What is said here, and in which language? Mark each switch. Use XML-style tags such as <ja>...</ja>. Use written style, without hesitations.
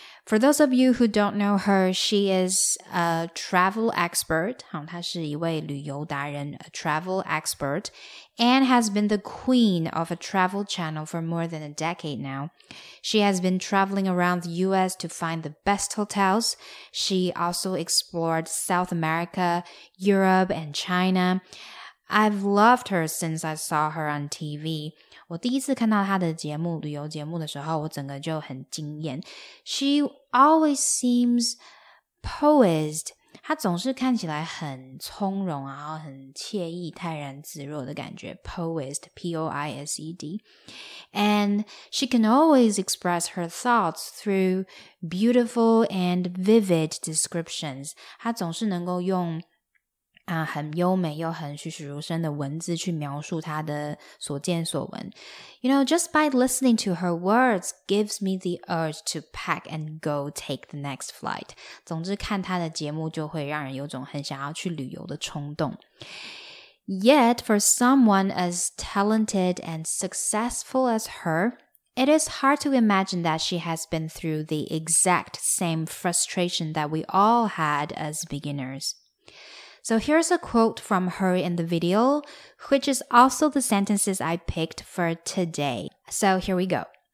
<en>For those of you who don't know her, she is a travel expert,</en> <zh>她是一位旅游达人,</zh> <en>a travel expert, and has been the queen of a travel channel for more than a decade now. She has been traveling around the US to find the best hotels. She also explored South America, Europe, and China. I've loved her since I saw her on TV.</en> <zh>我第一次看到她的节目，旅游节目的时候，我整个就很惊艳。</zh> <en>She always seems poised.</en> <zh>她总是看起来很从容，然后很惬意、泰然自若的感觉。</zh> <en>Poised, P-O-I-S-E-D. And she can always express her thoughts through beautiful and vivid descriptions.</en> <zh>她总是能够用很优美又很栩栩如生的文字去描述她的所见所闻。</zh> <en>You know, just by listening to her words gives me the urge to pack and go take the next flight.</en> <zh>总之看她的节目就会让人有种很想要去旅游的冲动。</zh> <en>Yet, for someone as talented and successful as her, it is hard to imagine that she has been through the exact same frustration that we all had as beginners. So here's a quote from her in the video, which is also the sentences I picked for today. So here we go.</en>